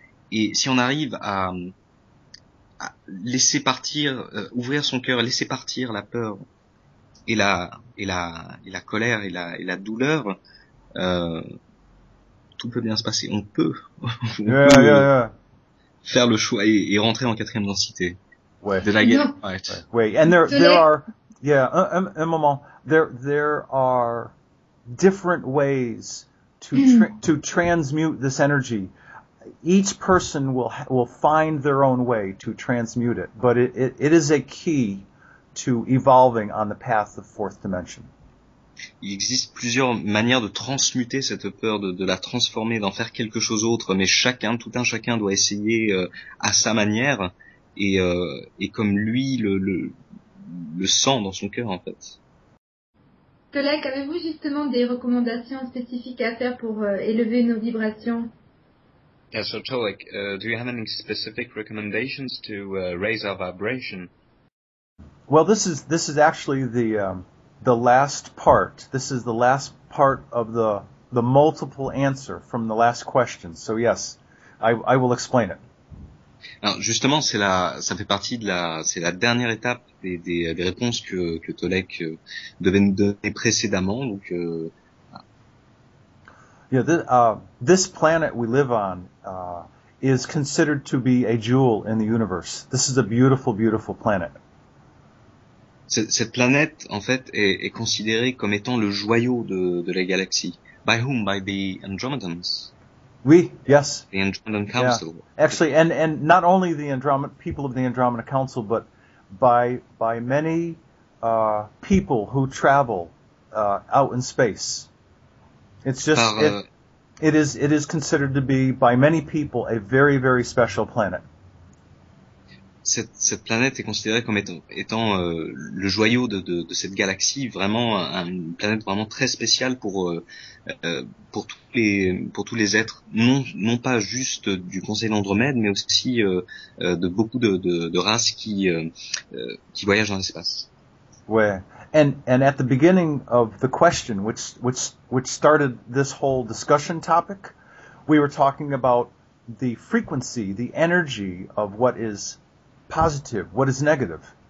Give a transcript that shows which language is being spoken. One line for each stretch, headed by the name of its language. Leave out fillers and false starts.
French: Et si on arrive à laisser partir, ouvrir son cœur, laisser partir la peur et la colère et la douleur, tout peut bien se passer. On peut. Faire le choix et rentrer en quatrième densité. Ouais.
English: Did I get it right? Ouais. And there are, yeah,
French: un moment.
English: There are different ways to transmute this energy. Each person will find their own way to transmute it. But it is a key to evolving on the path of fourth dimension.
French: Il existe plusieurs manières de transmuter cette peur, de la transformer, d'en faire quelque chose d'autre, mais chacun, tout un chacun doit essayer à sa manière et comme lui le sent dans son cœur, en fait. Tolek, avez-vous justement des recommandations spécifiques à faire pour élever nos vibrations?
English: Yeah, so Tolek, do you have any specific recommendations to raise our vibration? Well, this is actually the last part. This is the last part of the multiple answer from the last question. So yes, I will explain it.
French: Alors justement, c'est la dernière étape des réponses que Tolek devait nous donner précédemment. Donc,
English: This planet we live on is considered to be a jewel in the universe. This is a beautiful, beautiful planet.
French: Cette planète, en fait, est considérée comme étant le joyau de la galaxie.
English: By whom? By the Andromedans. Oui, yes. The Andromedan Council. Yeah. Actually, and not only the Andromeda people of the Andromeda Council, but by many people who travel out in space. It's just it is considered to be by many people a very, very special planet.
French: Cette planète est considérée comme étant le joyau de cette galaxie, vraiment une planète vraiment très spéciale pour tous les êtres, non pas juste du Conseil d'Andromède, mais aussi de beaucoup de races qui voyagent dans l'espace. Ouais.
English: And at the beginning of the question, which started this whole discussion topic, we were talking about the frequency, the energy of what is positive, what is negative?